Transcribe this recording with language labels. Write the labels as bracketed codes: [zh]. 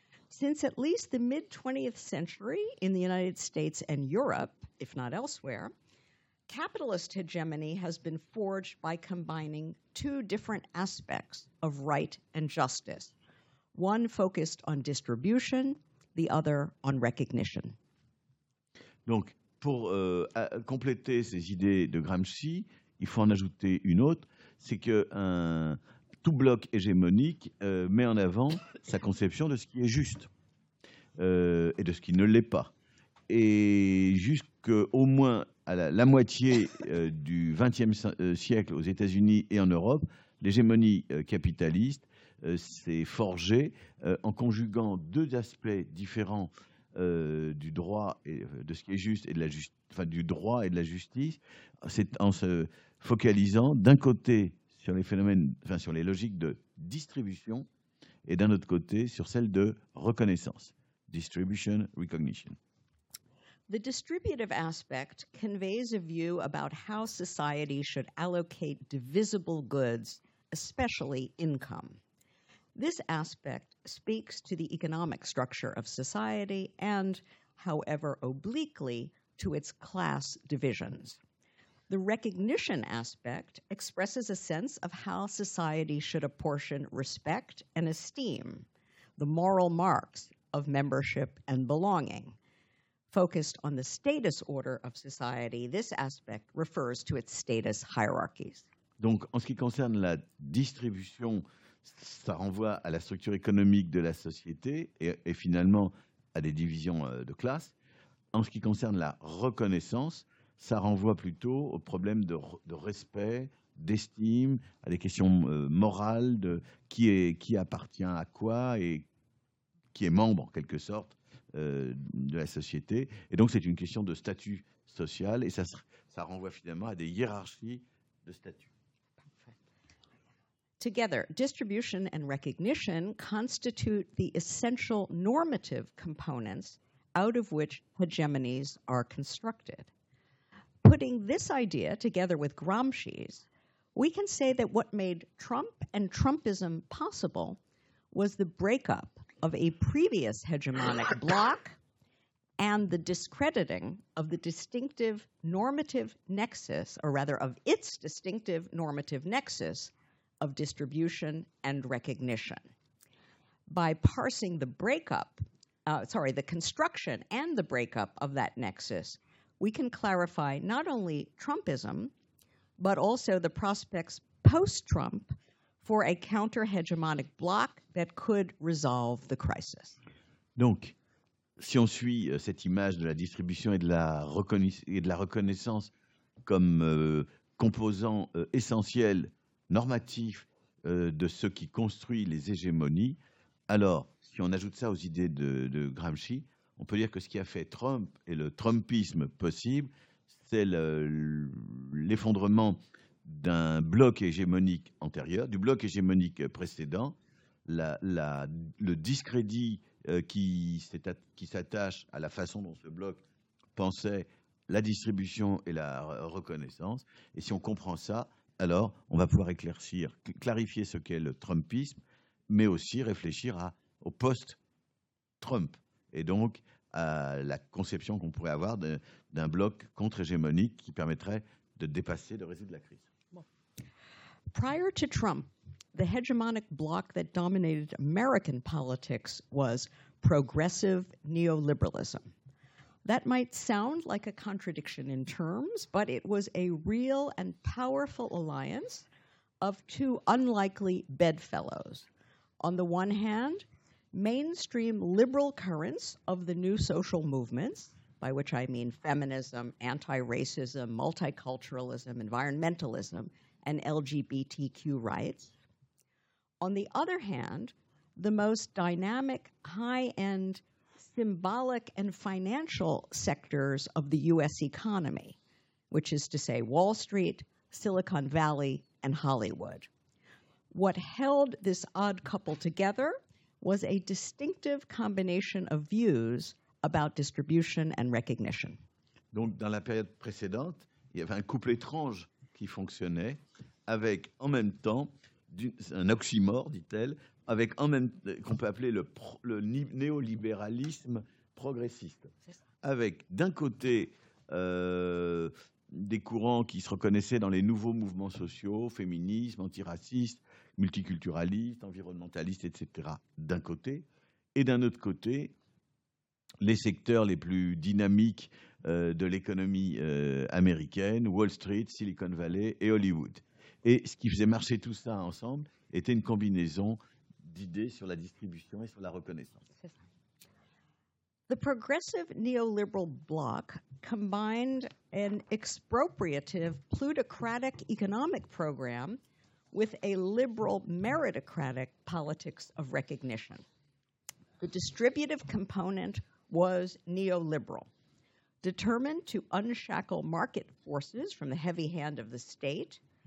[en] Since at least the mid-20th century in the United States and Europe, if not elsewhere, capitalist hegemony has been forged by combining two different aspects of right and justice, one focused on distribution, the other on recognition. [fr] Donc, pour compléter ces idées de Gramsci, il faut en ajouter une autre, c'est que tout bloc hégémonique met en avant sa conception de ce qui est juste et de ce qui ne l'est pas. Et jusqu'au moins à la moitié du XXe siècle aux États-Unis et en Europe, l'hégémonie capitaliste s'est forgée en conjuguant deux aspects différents du droit et de ce qui est juste et de la du droit et de la justice, c'est en se focalisant d'un côté sur les phénomènes, enfin sur les logiques de distribution, et d'un autre côté sur celles de reconnaissance, distribution, recognition. [en] The distributive aspect conveys a view about how society should allocate divisible goods, especially income. This aspect speaks to the economic structure of society and, however obliquely, to its class divisions. The recognition aspect expresses a sense of how society should apportion respect and esteem, the moral marks of membership and belonging. Focused on the status order of society, this aspect refers to its status hierarchies. [fr] Donc, en ce qui concerne la distribution, ça renvoie à la structure économique de la société et finalement à des divisions de classe. En ce qui concerne la reconnaissance, ça renvoie plutôt au problème de respect, d'estime, à des questions morales de qui appartient à quoi et qui est membre en quelque sorte de la société. Et donc c'est une question de statut social et ça renvoie finalement à des hiérarchies de statut. [en] Together, distribution and recognition constitute the essential normative components out of which hegemonies are constructed. Putting this idea together with Gramsci's, we can say that what made Trump and Trumpism possible was the breakup of a previous hegemonic bloc and the discrediting of the distinctive normative nexus, or rather of its distinctive normative nexus, of distribution and recognition. By parsing the breakup, the construction and the breakup of that nexus, we can clarify not only Trumpism, but also the prospects post-Trump for a counter-hegemonic bloc that could resolve the crisis. [fr] Donc, si on suit cette image de la distribution et de la reconnaissance comme composant essentiel, normatif de ce qui construit les hégémonies, alors, si on ajoute ça aux idées de Gramsci, on peut dire que ce qui a fait Trump et le Trumpisme possible, c'est l'effondrement d'un bloc hégémonique antérieur, du bloc hégémonique précédent, le discrédit qui s'attache à la façon dont ce bloc pensait la distribution et la reconnaissance. Et si on comprend ça, alors on va pouvoir clarifier ce qu'est le Trumpisme, mais aussi réfléchir au post-Trump. Et donc, à la conception qu'on pourrait avoir d'un bloc contre-hégémonique qui permettrait de dépasser, de résoudre la crise. [en] Prior to Trump, the hegemonic bloc that dominated American politics was progressive neoliberalism. That might sound like a contradiction in terms, but it was a real and powerful alliance of two unlikely bedfellows. On the one hand, mainstream liberal currents of the new social movements, by which I mean feminism, anti-racism, multiculturalism, environmentalism, and LGBTQ rights. On the other hand, the most dynamic, high-end, symbolic, and financial sectors of the US economy, which is to say Wall Street, Silicon Valley, and Hollywood. What held this odd couple together was a distinctive combination of views about distribution and recognition. [fr] Donc, dans la période précédente, il y avait un couple étrange qui fonctionnait avec, en même temps, un oxymore, dit-elle, avec en même qu'on peut appeler le néolibéralisme progressiste, avec d'un côté des courants qui se reconnaissaient dans les nouveaux mouvements sociaux, féminisme, antiraciste, multiculturaliste, environnementaliste, etc., d'un côté, et d'un autre côté, les secteurs les plus dynamiques de l'économie américaine, Wall Street, Silicon Valley et Hollywood. Et ce qui faisait marcher tout ça ensemble était une combinaison d'idées sur la distribution et sur la reconnaissance. C'est ça. [en] The progressive neoliberal bloc combined an expropriative plutocratic economic program with a liberal meritocratic politics of recognition. The distributive component was neoliberal, determined to unshackle market forces from the heavy hand of the state.